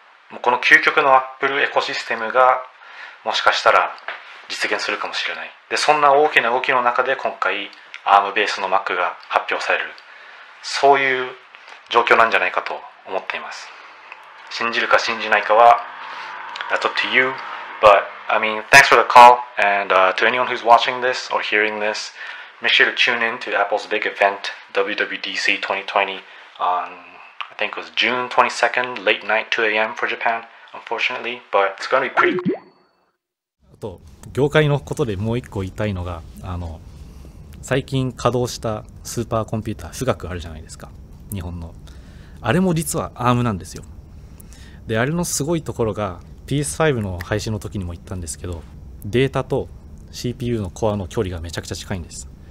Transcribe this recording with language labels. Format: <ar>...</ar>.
<ja>もうこの究極の Apple エコシステムがもしかしたら実現するかもしれない。で、そんな大きな動きの中で今回 ARM ベースの Mac が発表される。そういう状況なんじゃないかと思っています。信じるか信じないかは</ja> <en>That's up to you. But I mean, thanks for the call and to anyone who's watching this or hearing this,Make sure to tune in to Apple's big event, WWDC 2020, on, I think it was June 22nd, late night, 2 a.m. for Japan, unfortunately, but it's going to be pretty cool.</en> <ja>あと、業界のことでもう一個言いたいのが、最近稼働したスーパーコンピューター、富岳あるじゃないですか、日本の。あれも実は ARM なんですよ。で、あれのすごいところが、PS5 の配信の時にも言ったんですけど、データと CPU のコアの距離がめちゃくちゃ近いんです。</ja>